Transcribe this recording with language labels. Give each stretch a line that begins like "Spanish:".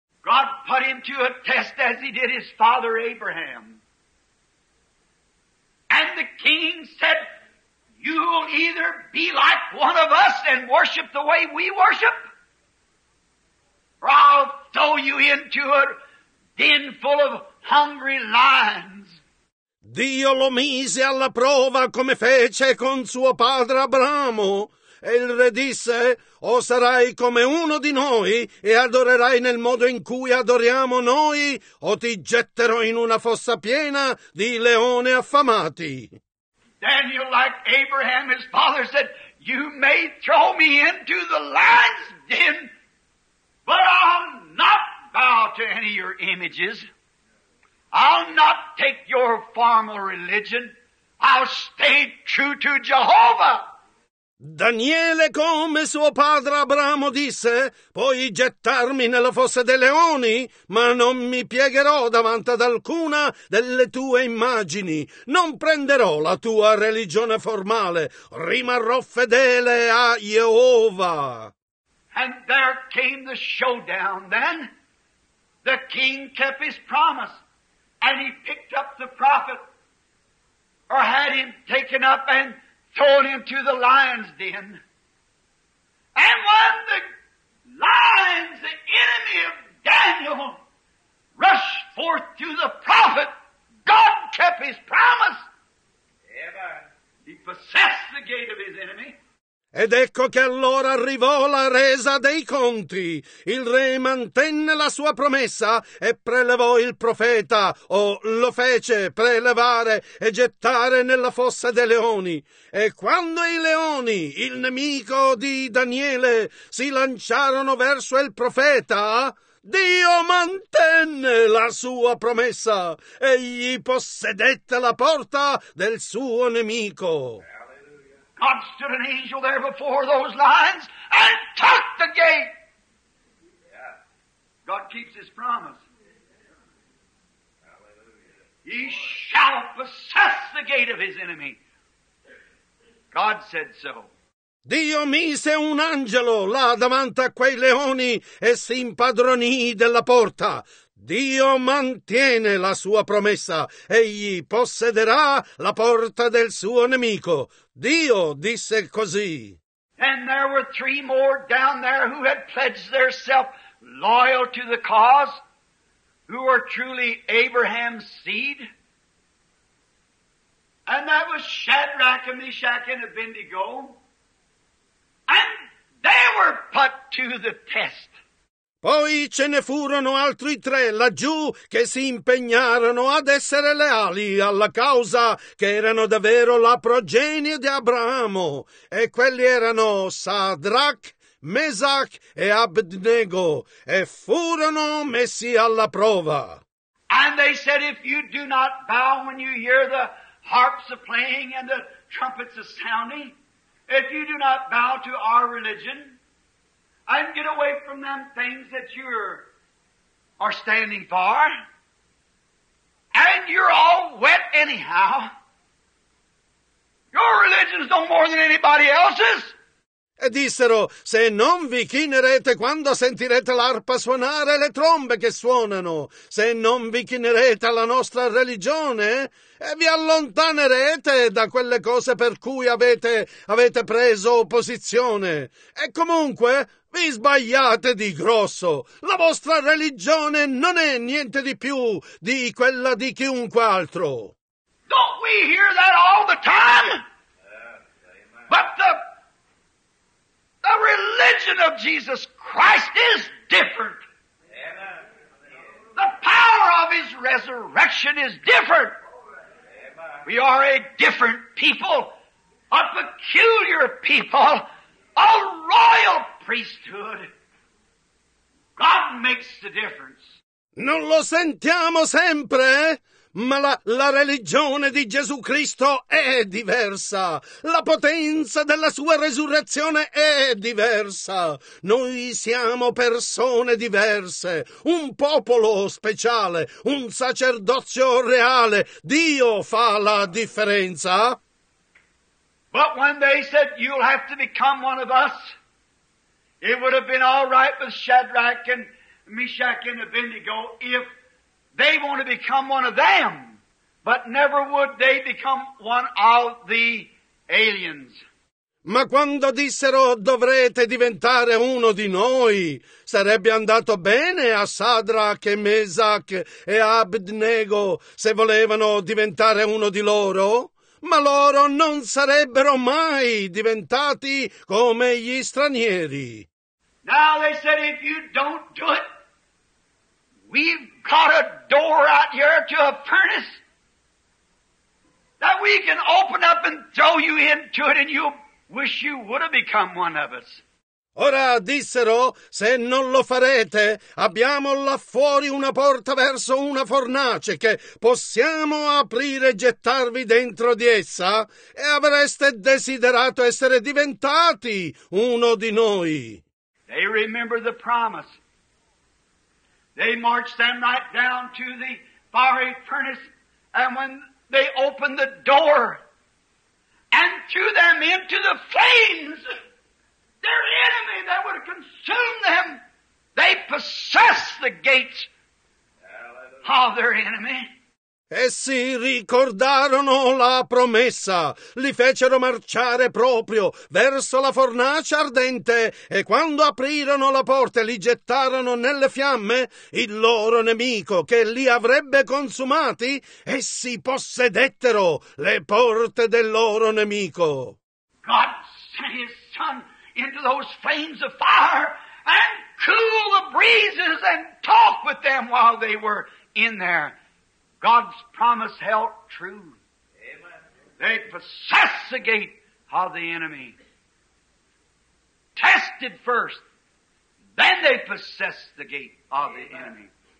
English: God put him to a test as he did his father Abraham. And the king said, "You will either be like one of us and worship the way we worship, or I'll throw you into a den full of hungry lions."
Italian: Dio lo mise alla prova come fece con suo padre Abramo. E il re disse, o sarai come uno di noi e adorerai nel modo in cui adoriamo noi, o ti getterò in una fossa piena di leoni affamati.
English: Daniel, like Abraham, his father said, "You may throw me into the lion's den, but I'll not bow to any of your images. I'll not take your formal religion. I'll stay true to Jehovah."
Italian: Daniele, come suo padre Abramo disse, puoi gettarmi nella fossa dei leoni, ma non mi piegherò davanti ad alcuna delle tue immagini. Non prenderò la tua religione formale. Rimarrò fedele a Jehova.
English: And there came the showdown then. The king kept his promise. And he picked up the prophet, or had him taken up and thrown into the lion's den. And one, the lions, the enemy of Daniel, rushed forth to the prophet. God kept his promise. Amen. He possessed the gate of his enemy.
Italian: Ed ecco che allora arrivò la resa dei conti. Il re mantenne la sua promessa e prelevò il profeta, o lo fece prelevare e gettare nella fossa dei leoni. E quando i leoni, il nemico di Daniele, si lanciarono verso il profeta, Dio mantenne la sua promessa e gli possedette la porta del suo nemico.
English: God stood an angel there before those lions and took the gate. Yeah. God keeps his promise. Yeah. Hallelujah. He shall possess the gate of his enemy. God said so.
Italian: Dio mise un angelo là davanti a quei leoni e si impadronì della porta. Dio mantiene la sua promessa. Egli possederà la porta del suo nemico. Dio disse così.
English: And there were three more down there who had pledged themselves loyal to the cause, who were truly Abraham's seed. And that was Shadrach and Meshach and Abednego. And they were put to the test.
Italian: Poi ce ne furono altri tre laggiù che si impegnarono ad essere leali alla causa, che erano davvero la progenie di Abramo. E quelli erano Sadrach, Mesach e Abednego, e furono messi alla prova.
English: And they said, if you do not bow when you hear the harps are playing and the trumpets are sounding, if you do not bow to our religion, and get away from them things that you are standing for, and you're all wet anyhow. Your religion's no more than anybody else's.
Italian: E dissero, se non vi chinerete quando sentirete l'arpa suonare e le trombe che suonano, se non vi chinerete alla nostra religione, e vi allontanerete da quelle cose per cui avete preso posizione. E comunque, vi sbagliate di grosso. La vostra religione non è niente di più di quella di chiunque altro.
English: Don't we hear that all the time? But the religion of Jesus Christ is different. The power of his resurrection is different. We are a different people, a peculiar people, a royal priesthood. God makes the difference.
Italian: Non lo sentiamo sempre, ma la religione di Gesù Cristo è diversa. La potenza della sua resurrezione è diversa. Noi siamo persone diverse, un popolo speciale, un sacerdozio reale. Dio fa la differenza.
English: But when they said, you'll have to become one of us, it would have been all right with Shadrach and Meshach and Abednego if they want to become one of them, but never would they become one of the aliens.
Italian: Ma quando dissero dovrete diventare uno di noi, sarebbe andato bene a Sadrach e Mesach e Abednego se volevano diventare uno di loro, ma loro non sarebbero mai diventati come gli stranieri.
English: Now they said, if you don't do it, we've got a door out here to a furnace that we can open up and throw you into it, and you'll wish you would have become one of us.
Italian: Ora dissero, se non lo farete, abbiamo là fuori una porta verso una fornace che possiamo aprire e gettarvi dentro di essa, e avreste desiderato essere diventati uno di noi.
English: They remember the promise. They marched them right down to the fiery furnace, and when they opened the door and threw them into the flames, their enemy that would consume them, they possessed the gates of their enemy.
Italian: Essi ricordarono la promessa, li fecero marciare proprio verso la fornace ardente, e quando aprirono la porta e li gettarono nelle fiamme, il loro nemico che li avrebbe consumati, essi possedettero le porte del loro nemico.
English: God sent his son into those flames of fire and cool the breezes and talk with them while they were in there. God's promise held true. Amen. They possessed the gate of the enemy. Tested first, then they possessed the gate of the enemy.